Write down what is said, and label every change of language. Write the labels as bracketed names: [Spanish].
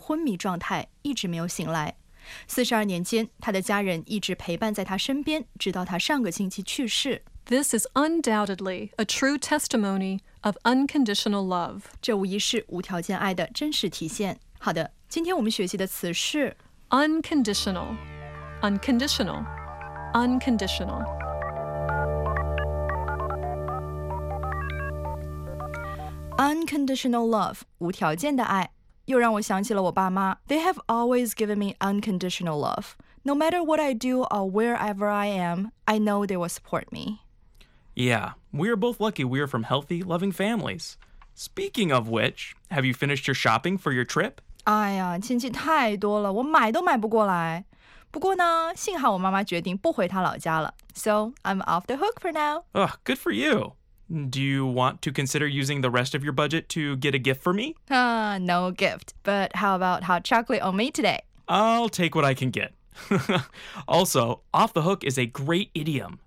[Chinese] 1970年，佛罗里达州一个16岁的女孩因为药物反应进入昏迷状态，一直没有醒来。42年间，她的家人一直陪伴在她身边，直到她上个星期去世。 [English] This is undoubtedly a true testimony of unconditional love. [Chinese] 这无疑是无条件爱的真实体现。好的，今天我们学习的词是 [English] unconditional, unconditional, unconditional. unconditional love, [Chinese] 无条件的爱，又让我想起了我爸妈。 [English] They have always given me unconditional love. No matter what I do or wherever I am, I know they will support me. Yeah, we are both lucky we are from healthy, loving families. Speaking of which, have you finished your shopping for your trip? [Chinese] 哎呀，亲戚太多了，我买都买不过来。不过呢，幸好我妈妈决定不回她老家了。 [English] So, I'm off the hook for now. Oh, good for you. Do you want to consider using the rest of your budget to get a gift for me? No gift, but how about hot chocolate on me today? I'll take what I can get. Also, off the hook is a great idiom.